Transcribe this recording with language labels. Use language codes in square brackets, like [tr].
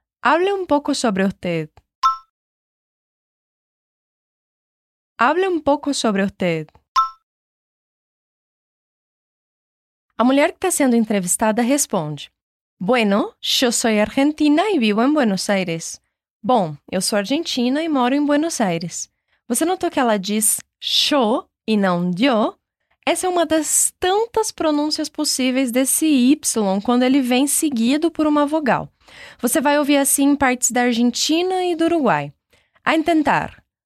[es] Hable un poco sobre usted. Hable un poco sobre usted. [pt] A mulher que está sendo entrevistada responde. [es] Bueno, yo soy argentina y vivo en Buenos Aires. [pt] Bom, eu sou argentina e moro em Buenos Aires. Você notou que ela diz yo e não yo? Essa é uma das tantas pronúncias possíveis desse Y quando ele vem seguido por uma vogal. Você vai ouvir assim em partes da Argentina e do Uruguai. [es] A intentar.